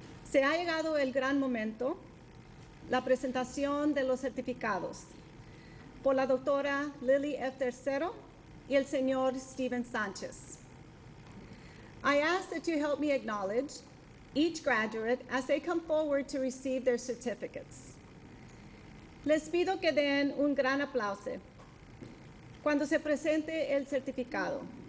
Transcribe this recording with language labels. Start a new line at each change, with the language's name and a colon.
Spanish: Se ha llegado el gran momento, la presentación de los certificados por la doctora Lily F. Tercero y el señor Steven Sanchez.
English: I ask that you help me acknowledge each graduate as they come forward to receive their certificates.
Spanish: Les pido que den un gran aplauso cuando se presente el certificado.